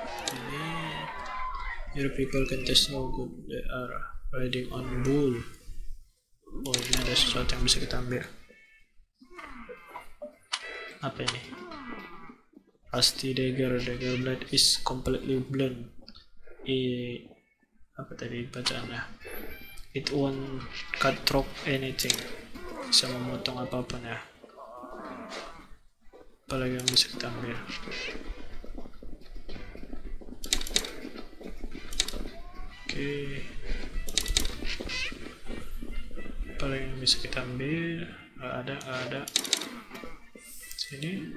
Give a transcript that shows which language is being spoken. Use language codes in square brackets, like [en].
[en] Ini, your people can test how good they are riding on bull. [id] Oh, ini ada sesuatu yang bisa kita ambil. Apa ini? Rusty dagger. [en] Dagger blade is completely blunt. [id] Apa tadi bacaannya? [en] It won't cut through anything. [id] Bisa memotong apapun ya. Apa lagi yang bisa kita ambil? Oke. Apa yang bisa kita ambil? Gak ada. Sini.